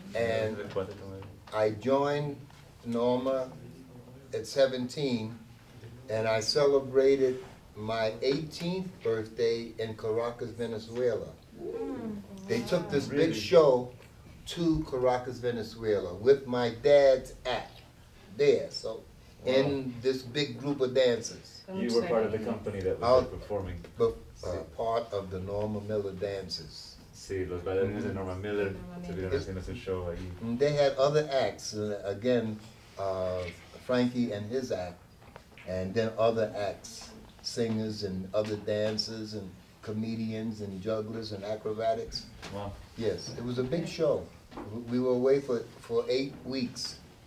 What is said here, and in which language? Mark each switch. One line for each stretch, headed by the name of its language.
English: And I joined Norma at 17, and I celebrated my 18th birthday in Caracas, Venezuela. They took this big show to Caracas, Venezuela with my dad's act there, so in this big group of dancers. You were part of the company that was there performing. Part of the Norma Miller dancers.
Spanish: Sí, los bailarines de Norma Miller tuvieron haciendo ese show ahí.
English: They had other acts, again, Frankie and his act, and then other acts, singers and other dancers and comedians and jugglers and acrobatics. Wow. Yes, it was a big show. We were away for 8 weeks.